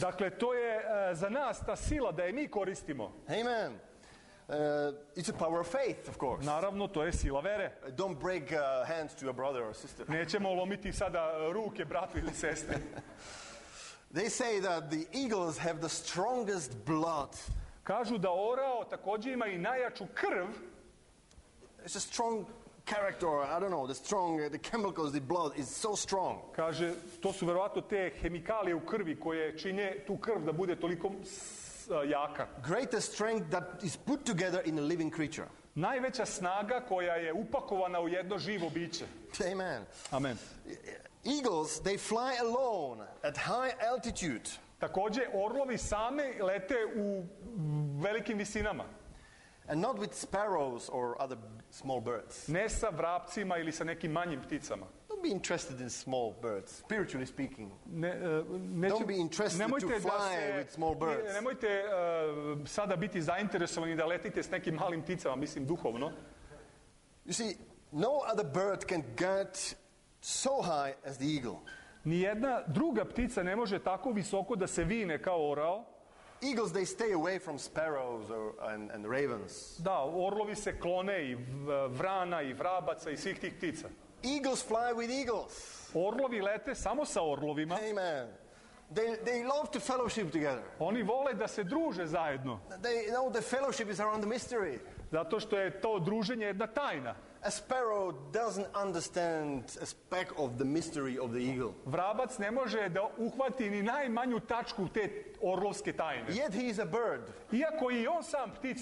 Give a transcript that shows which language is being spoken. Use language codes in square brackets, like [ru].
[sr] Dakle, to je za nas ta sila da je mi koristimo. [en] Amen. It's a power of faith, of course. [sr] Naravno, to je sila vere. [en] Don't break hands to a brother or sister. [sr] Nećemo lomiti sada ruke bratu ili sestri. [en] They say that the eagles have the strongest blood. [sr] Kažu da orao također ima i najjaču krv. [en] It's a strong character, I don't know, the chemicals, the blood is so strong. [sr] Kaže, to su verovatno te hemikalije u krvi koje čine tu krv da bude toliko jaka. [en] Greatest strength that is put together in a living creature. [sr] Najveća snaga koja je upakovana u jedno živo biće. [en] Amen. Amen. Eagles, they fly alone at high altitude. [sr] Takođe, orlovi sami lete u velikim visinama. [en] And not with sparrows or other small birds. [sr] Ne sa vrapcima ili sa nekim manjim pticama. [en] The don't be interested in small birds, spiritually speaking. Don't be interested to fly with small birds. [sr] Nemojte sada biti zainteresovani da letite s nekim malim pticama, mislim duhovno. [en] You see, no other bird can get so high as the eagle. [sr] Ni jedna druga ptica ne može tako visoko da se vine kao orao. [en] Eagles, they stay away from sparrows or, and ravens. [sr] Da, orlovi se klone i vrana i vrabaca i svih tih ptica. [en] Eagles fly with eagles. [sr] Orlovi lete samo sa orlovima. [en] Amen. They love to fellowship together. [sr] Oni vole da se druže zajedno. [en] They know the fellowship is around the mystery. [sr] Zato što je to druženje jedna tajna. [en] A sparrow doesn't understand a speck of the mystery of the eagle. [sr] Vrabac ne može da uhvati ni najmanju tačku te orlovske tajne. [en] Yet he is a bird. [sr] Iako i on sam ptica.